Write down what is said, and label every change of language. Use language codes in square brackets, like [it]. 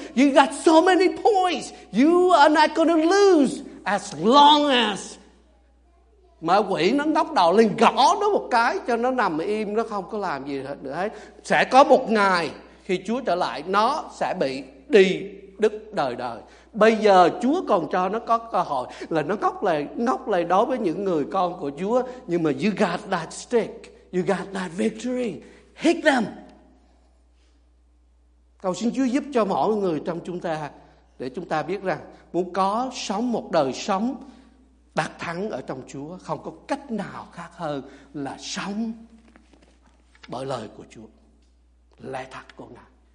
[en] You got so many points. You are not gonna lose as long as [vi] mà quỷ nó ngóc đầu lên gõ nó một cái cho nó nằm im, nó không có làm gì hết nữa. Sẽ có một ngày khi Chúa trở lại, nó sẽ bị đi đứt đời đời. Bây giờ Chúa còn cho nó có cơ hội là nó ngóc lại đối với những người con của Chúa. Nhưng mà [en] you got that stick, you got that victory, hit them. [vi] Cầu xin Chúa giúp cho mọi người trong chúng ta, để chúng ta biết rằng muốn có sống một đời sống đắc thắng ở trong Chúa, không có cách nào khác hơn là sống bởi lời của Chúa, lẽ thật của Ngài.